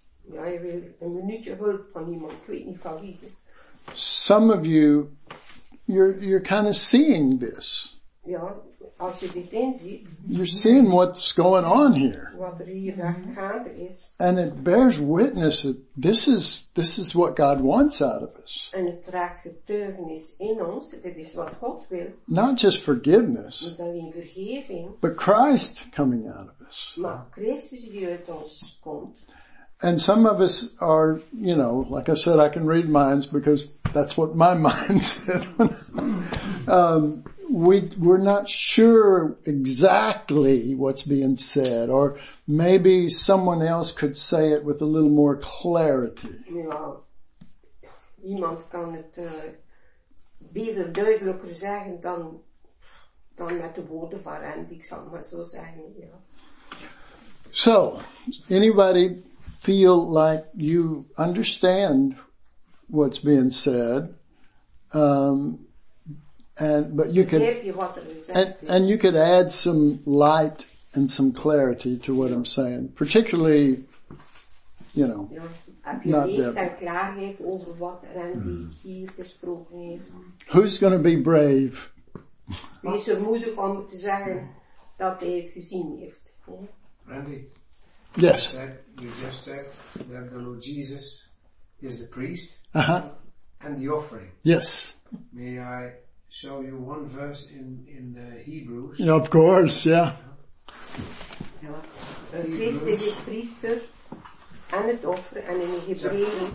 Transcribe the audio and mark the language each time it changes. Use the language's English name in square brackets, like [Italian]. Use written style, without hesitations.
[Dutch] Ja, je wil een minuutje hulp van iemand. Ik weet niet van wie ze. [English] Some of you, you're kind of seeing this. [Dutch] Ja, als je dit inziet. [English] You're seeing what's going on here. [Dutch] Wat er hier gaande is. [English] And it bears witness that this is what God wants out of us. [Dutch] En het draagt getuigenis in ons. Dit is wat God wil. [English] Not just forgiveness. [Dutch] Niet alleen vergeving. [English] But Christ coming out of us. [Dutch] Maar Christus die uit ons komt. [English] And some of us are, you know, like I said, I can read minds because that's what my mind said. we're not sure exactly what's being said, or maybe someone else could say it with a little more clarity. [Dutch] Ja, iemand kan het beter duidelijker zeggen dan met de woorden van Randy, ik zal maar zo zeggen. Ja. [English] So, anybody feel like you understand what's being said, and you could add some light and some clarity to what I'm saying, particularly, you know, not Deb. Mm-hmm. Who's going to be brave? [Dutch] Is er moedig om te zeggen dat hij het gezien heeft? [English] Randy. Yes. You just said that the Lord Jesus is the priest and the offering. Yes. May I show you one verse in the Hebrews? Yeah, of course, yeah. Christ is the priester and the offering and in Hebrews.